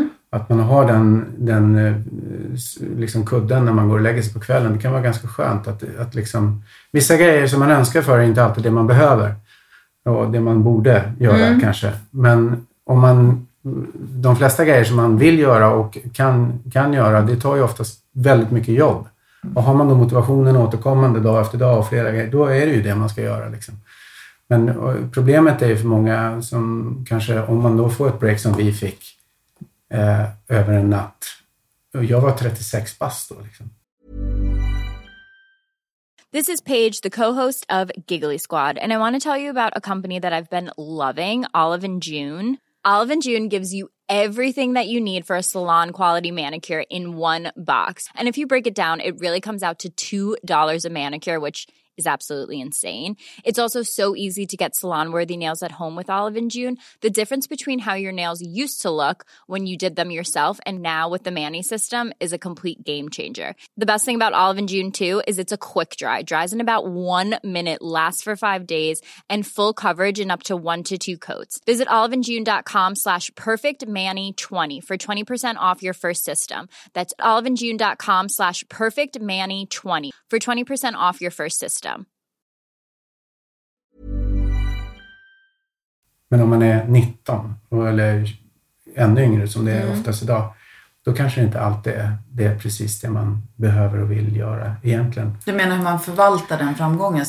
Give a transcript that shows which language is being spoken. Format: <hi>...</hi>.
<sv>Att man har den liksom kudden när man går och lägger sig på kvällen, det kan vara ganska skönt att liksom, vissa grejer som man önskar för är inte alltid det man behöver och det man borde göra kanske, men om man de flesta grejer som man vill göra och kan göra, det tar ju oftast väldigt mycket jobb. Och har man då motivationen återkommande dag efter dag och flera grejer, då är det ju det man ska göra. Liksom. Men problemet är ju för många som kanske, om man då får ett break som vi fick över en natt. Och jag var 36 bast då. Liksom.</sv> <en>This is Paige, the co-host of Giggly Squad. And I want to tell you about a company that I've been loving, Olive & June. Olive & June gives you everything that you need for a salon quality manicure in one box. And if you break it down, it really comes out to $2 a manicure, which is absolutely insane. It's also so easy to get salon-worthy nails at home with Olive and June. The difference between how your nails used to look when you did them yourself and now with the Manny system is a complete game changer. The best thing about Olive and June, too, is it's a quick dry. It dries in about 1 minute, lasts for 5 days, and full coverage in up to 1 to 2 coats. Visit oliveandjune.com/perfectmanny20 for 20% off your first system. That's oliveandjune.com/perfectmanny20 for 20% off your first system.</en> <sv>Men om man är 19 eller ännu yngre som det är oftast idag, då kanske det inte alltid är det precis det man behöver och vill göra egentligen. Du menar hur man förvaltar den framgången?</sv>